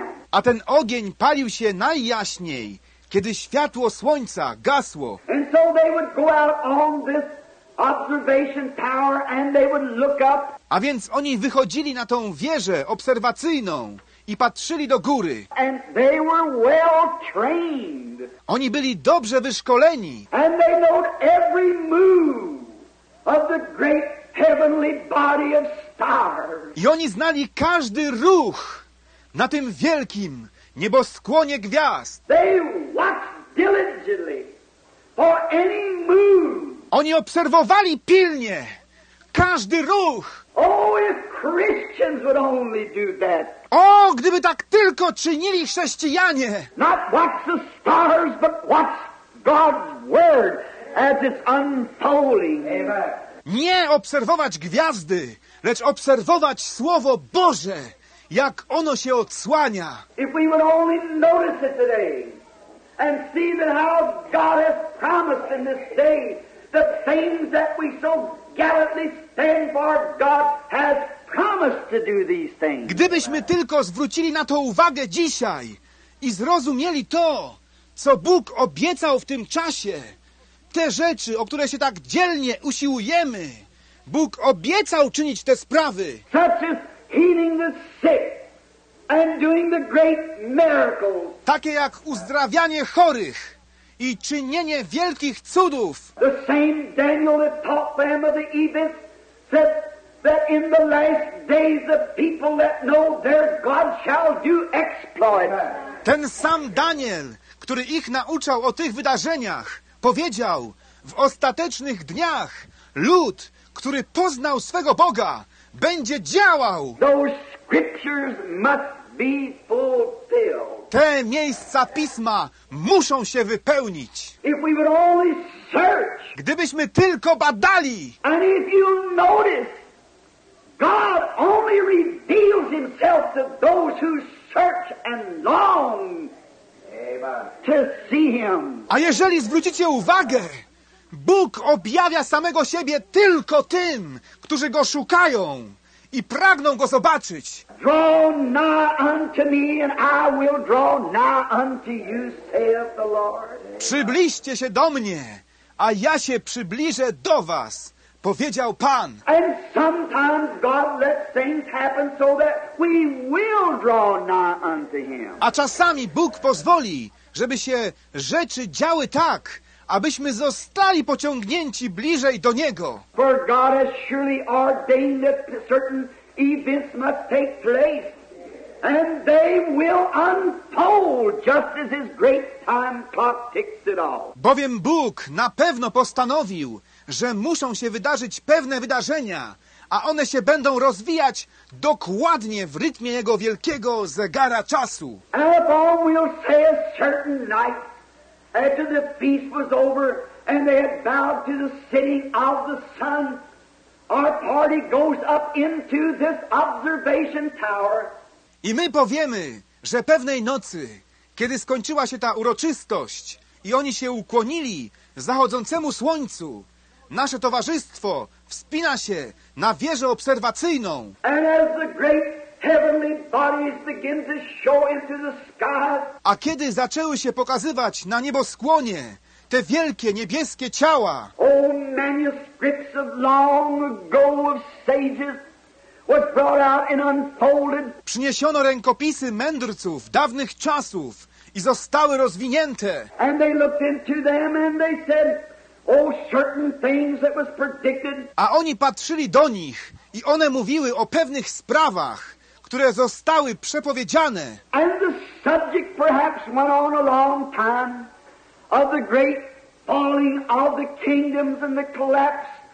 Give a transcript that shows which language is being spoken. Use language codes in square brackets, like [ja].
[pl] A ten ogień palił się najjaśniej, kiedy światło słońca gasło. [en] And so they would go out on this observation tower and they would look up. [pl] A więc oni wychodzili na tą wieżę obserwacyjną i patrzyli do góry. [en] And they were well trained. [pl] Oni byli dobrze wyszkoleni. [en] And they knew every move of the great heavenly body of stars. [pl] I oni znali każdy ruch na tym wielkim nieboskłonie gwiazd. [en] They watched diligently for any move. [pl] Oni obserwowali pilnie każdy ruch. [en] Oh, if Christians would only do that. [pl] O, gdyby tak tylko czynili chrześcijanie. [en] Not watch the stars, but watch God's word as it's unfolding. Amen. [pl] Nie obserwować gwiazdy, lecz obserwować Słowo Boże, jak ono się odsłania. [en] If we would only notice it today and see that how God has promised in this day the things that we so gallantly stand for, God has promised to do these things. [pl] Gdybyśmy tylko zwrócili na to uwagę dzisiaj i zrozumieli to, co Bóg obiecał w tym czasie, te rzeczy, o które się tak dzielnie usiłujemy, Bóg obiecał czynić te sprawy. [en] Such as healing the sick and doing the great miracles. [pl] Takie jak uzdrawianie chorych i czynienie wielkich cudów. [en] The same Daniel that taught them of the events said that in the last days the people that know their God shall do exploits. [pl] Ten sam Daniel, który ich nauczał o tych wydarzeniach, powiedział: w ostatecznych dniach lud, który poznał swego Boga, będzie działał. [en] Those scriptures must be fulfilled. [pl] Te miejsca pisma muszą się wypełnić. [en] If we would only search, [pl] gdybyśmy tylko badali. [en] And if you notice, God only reveals himself to those who search and long to see him. [pl] A jeżeli zwrócicie uwagę, Bóg objawia samego siebie tylko tym, którzy go szukają i pragną go zobaczyć. [en] Draw nigh unto me and I will draw nigh unto you, saith the Lord. [pl] Przybliżcie się do mnie, a ja się przybliżę do was, powiedział Pan. [en] And sometimes God lets things happen so that we will draw nigh unto him. [pl] A czasami Bóg pozwoli, żeby się rzeczy działy tak, abyśmy zostali pociągnięci bliżej do Niego. [en] For God has surely ordained that certain events must take place, and they will unfold just as his great time clock ticks it off. [pl] Bowiem Bóg na pewno postanowił, że muszą się wydarzyć pewne wydarzenia, a one się będą rozwijać dokładnie w rytmie jego wielkiego zegara czasu. [en] Alabama will say a certain night after the feast was over and they had bowed to the setting of the sun, our party goes up into this observation tower. [pl] I my powiemy, że pewnej nocy, kiedy skończyła się ta uroczystość i oni się ukłonili zachodzącemu słońcu, nasze towarzystwo wspina się na wieżę obserwacyjną. [en] And as the great heavenly bodies begin to show into the sky, [pl] a kiedy zaczęły się pokazywać na nieboskłonie te wielkie niebieskie ciała, [en] o manuscripts of long ago of sages, was brought out and unfolded. [pl] Przyniesiono rękopisy mędrców dawnych czasów i zostały rozwinięte. [en] And they looked into them and they said, oh, certain things that was predicted. [pl] A oni patrzyli do nich i one mówiły o pewnych sprawach, które zostały przepowiedziane. [en] And the subject perhaps went on a long time of the great falling of the kingdoms and the collapse.